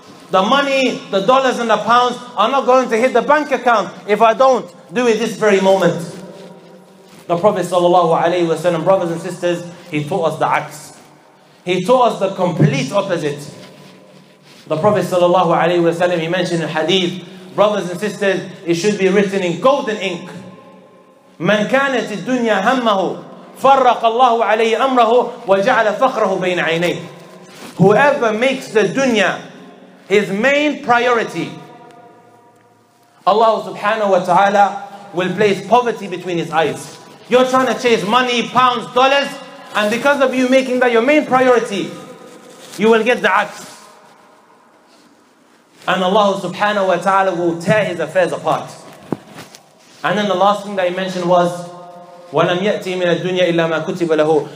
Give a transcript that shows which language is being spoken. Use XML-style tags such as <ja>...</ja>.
<en>The money, the dollars and the pounds are not going to hit the bank account if I don't do it this very moment. The Prophet sallallahu alayhi wa sallam, brothers and sisters, he taught us the axe. He taught us the complete opposite. The Prophet sallallahu alayhi wa sallam, he mentioned in hadith, brothers and sisters, it should be written in golden ink.</en> <ar>مَنْ كَانَتِ الدُّنْيَا هَمَّهُ فَرَّقَ اللَّهُ عَلَيْهِ أَمْرَهُ وَجَعَلَ فَقْرَهُ بَيْنَ عَيْنَيْهِ.</ar> <en>Whoever makes the dunya His main priority. Allah subhanahu wa ta'ala will place poverty between his eyes. You're trying to chase money, pounds, dollars, and because of you making that your main priority, you will get the axe. And Allah subhanahu wa ta'ala will tear his affairs apart. And then the last thing that he mentioned was,</en> <ar>وَلَمْ يَأْتِي مِنَ الدُّنْيَا إِلَّا مَا كُتِبَ لَهُ.</ar>